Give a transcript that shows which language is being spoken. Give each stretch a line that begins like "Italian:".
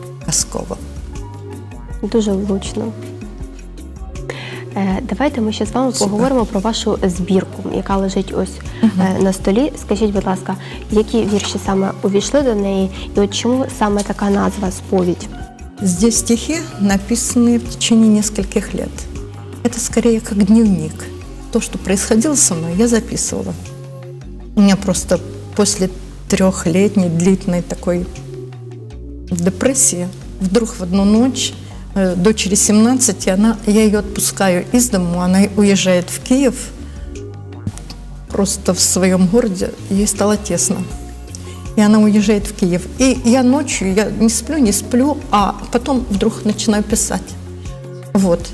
Ukrainian: Казково. Дуже влучно. Давайте ми ще з вами поговоримо про вашу збірку, яка лежить ось на столі. Скажіть, будь ласка, які вірші саме увійшли до неї і от чому саме така назва «Сповідь»?
Russian: Тут стихи написані в течение нескольких лет. Это скорее как дневник. То, что происходило со мной, я записывала. У меня просто после 3-летней длительной такой депресія.
Ukrainian: Вдруг в одну ніч дочері 17, я її відпускаю із дому, вона уїжджає в Київ, просто в своєму місті, їй стало тісно. І вона уїжджає в Київ. І я ночі, я не сплю, а потім вдруг починаю писати. Вот.